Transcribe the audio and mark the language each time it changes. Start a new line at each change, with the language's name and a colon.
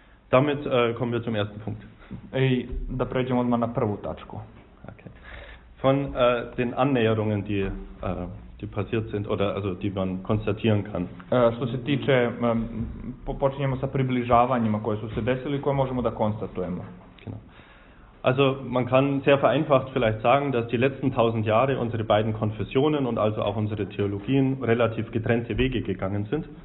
German: Damit kommen wir zum ersten Punkt.
Serbian: I da pređemo odmah na prvu tačku.
German: Okay. Von den Annäherungen, die passiert sind, oder also die man konstatieren kann.
Serbian: Što se tiče, počinjemo sa približavanjima koje su se desili i koje možemo da konstatujemo.
German: Genau. Also man kann sehr vereinfacht vielleicht sagen, dass die letzten 1000 Jahre unsere beiden Konfessionen und also auch unsere Theologien relativ getrennte Wege gegangen sind.